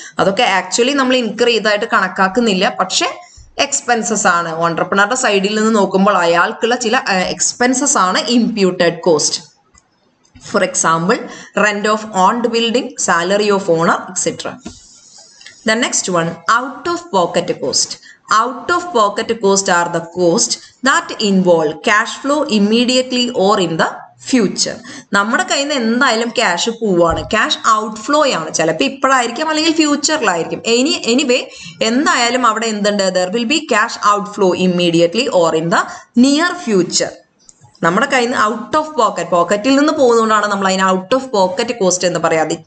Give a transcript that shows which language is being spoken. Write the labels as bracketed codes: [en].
[ml] അതൊക്കെ ആക്ച്വലി നമ്മൾ ഇൻകർ ചെയ്തതായിട്ട് കണക്കാക്കുന്നില്ല, പക്ഷേ എക്സ്പെൻസസ് ആണ്. എന്റർപ്രണറുടെ സൈഡിൽ നിന്ന് നോക്കുമ്പോൾ അയാൾക്കുള്ള ചില എക്സ്പെൻസസ് ആണ് imputed cost. [en] For example, rent of owned building, salary of owner, etcetera. The next one, out of pocket cost. Out of pocket cost are the cost that involve cash flow immediately or in the future. [ml] നമ്മുടെ കയ്യിൽ നിന്ന് എന്തായാലും cash പോവുകയാണ്, cash out flow ആണ്. ചിലപ്പോൾ ഇപ്പോഴായിരിക്കും അല്ലെങ്കിൽ ഫ്യൂച്ചറിലായിരിക്കും. Anyway എന്തായാലും അവിടെ എന്തുണ്ട്? [en] There will be cash out flow immediately or in the near future. [ml] നമ്മുടെ കയ്യിൽ നിന്ന് ഔട്ട് ഓഫ് പോക്കറ്റ്, പോക്കറ്റിൽ നിന്ന് പോകുന്നതുകൊണ്ടാണ് നമ്മൾ അതിന് ഔട്ട് ഓഫ് പോക്കറ്റ് കോസ്റ്റ് എന്ന് പറയുക.